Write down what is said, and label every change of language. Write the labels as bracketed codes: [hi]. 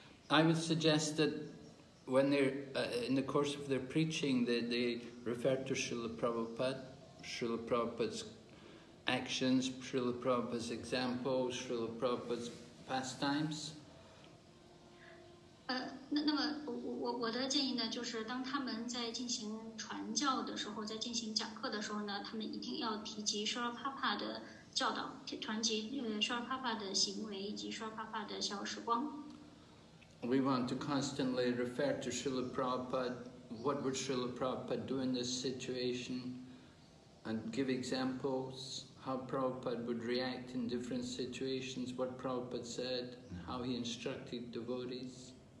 [en] I would suggest that when they're in the course of their preaching, they refer to Srila Prabhupada, Srila Prabhupada's actions, Srila Prabhupada's examples, Srila Prabhupada's pastimes. [zh] 那么我的建议呢，就是当他们在进行传教的时候，在进行讲课的时候呢，他们一定要提及舒拉帕帕的教导，团结舒拉帕帕的行为以及舒拉帕帕的小时光。 [en] We want to constantly refer to Srila Prabhupada. What would Srila Prabhupada do in this situation? And give examples how Prabhupada would react in different situations, what Prabhupada said, how he instructed devotees.